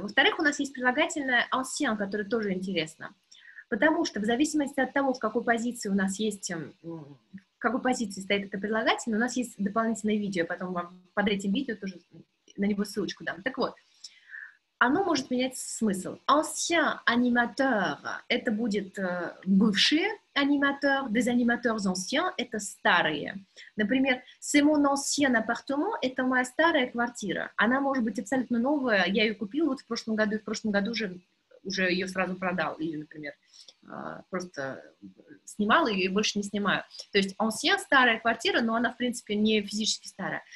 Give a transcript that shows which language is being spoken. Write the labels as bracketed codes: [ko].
[ru] Во-вторых, у нас есть прилагательное ancien, которое тоже интересно. Потому что в зависимости от того, в какой позиции у нас есть, в какой позиции стоит это прилагательное, у нас есть дополнительное видео, потом вам под этим видео тоже на него ссылочку дам. Так вот, оно может менять смысл. Ancien animateur – это будет бывшие animateurs, [fr] des animateurs anciens [ru] – это старые. Например, [fr] c'est mon ancien appartement [ru] – это моя старая квартира. Она может быть абсолютно новая, я ее купила вот в прошлом году, и в прошлом году уже ее сразу продал, или, например, просто снимал ее и больше не снимаю. То есть ancien – старая квартира, но она, в принципе, не физически старая.